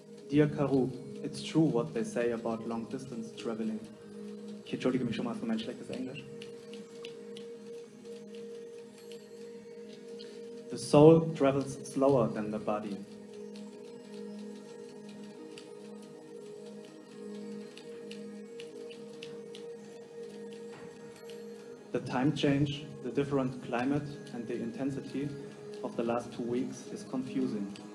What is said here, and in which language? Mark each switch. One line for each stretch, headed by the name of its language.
English: Dear Karu, it's true what they say about long distance traveling.
German: Ich entschuldige mich schon mal für mein schlechtes Englisch.
English: The soul travels slower than the body. The time change, the different climate, and the intensity of the last 2 weeks is confusing.